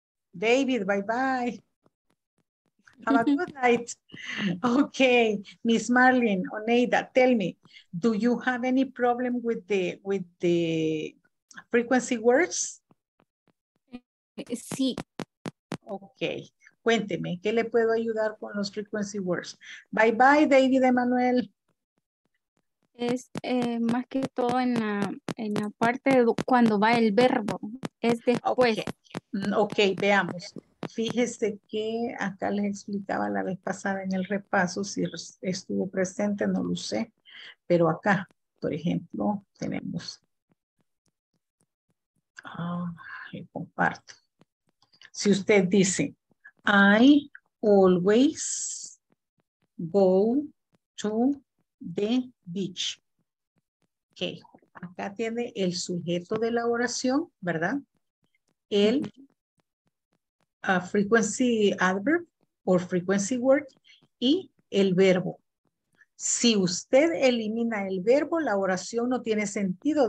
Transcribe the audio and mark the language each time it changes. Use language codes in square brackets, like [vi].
[en] David, bye-bye. Have a good night. Okay, Ms. Marlene, Oneida, tell me, do you have any problem with the frequency words? [es] Sí. Okay, cuénteme, ¿qué le puedo ayudar con los frequency words? [en] Bye-bye, David Emmanuel. [es] Es más que todo en la parte de cuando va el verbo, es después. Okay, veamos. Fíjese que acá les explicaba la vez pasada en el repaso, si estuvo presente, no lo sé. Pero acá, por ejemplo, tenemos. Le comparto. Si usted dice, [en] I always go to the beach. [es] Ok, acá tiene el sujeto de la oración, ¿verdad? El frequency adverb o frequency word y el verbo. Si usted elimina el verbo, la oración no tiene sentido.